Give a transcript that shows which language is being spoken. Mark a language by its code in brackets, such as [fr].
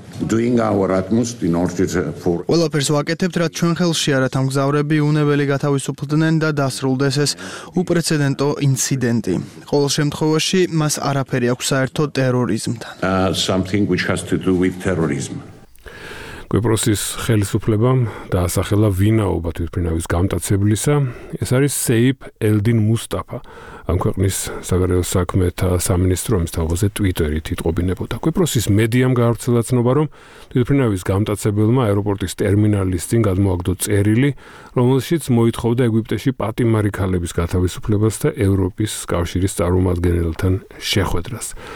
[en] Doing our utmost in order for [ka] ყველაფერს ვაკეთებთ, რაც ჩვენ ხელში არა, თამ გზავრები უნებელი გათავისუფლდნენ და დასრულდეს ეს უპრეცედენტო ინციდენტი. ყოველ შემთხვევაში მას არაფერი აქვს საერთო ტერორიზმთან. [en] Something which has to do with terrorism. [ka] კვიპროსის ხელისუფლებამ დაასახელა ვინაობა თვითმფრინავის გამტაცებლისა. ეს არის Saif Eldin Mustafa, ამ ქვეყნის საგარეო საქმეთა სამინისტრო, ამის თავზე ტვიტერით იტყობინებოდა. კვიპროსის მედიამ გაავრცელა ცნობა, რომ თვითმფრინავის გამტაცებელმა აეროპორტის ტერმინალის წინ გადმოაგდო წერილი, რომელშიც მოითხოვდა ეგვიპტეში პატიმარი ქალების გათავისუფლებას და ევროპის კავშირის წარმომადგენელთან შეხვედრას.